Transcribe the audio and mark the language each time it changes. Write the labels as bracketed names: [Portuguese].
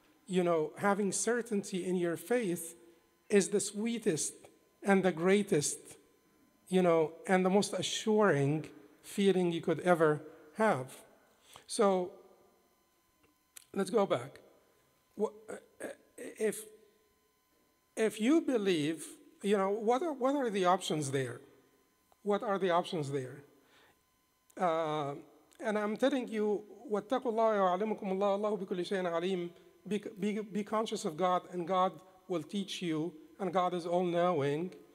[English] You know, having certainty in your faith is the sweetest and the greatest, you know, and the most assuring feeling you could ever have. So let's go back. If you believe, you know, what are the options there? What are the options there? And I'm telling you, [Arabic] وَاتَّقُوا اللَّهَ وَعَلِمُكُمْ اللَّهُ اللَّهُ بِكُلِّ شَيْءٍ عَلِيمٍ. [English] Be conscious of God, and God will teach you, and God is all-knowing.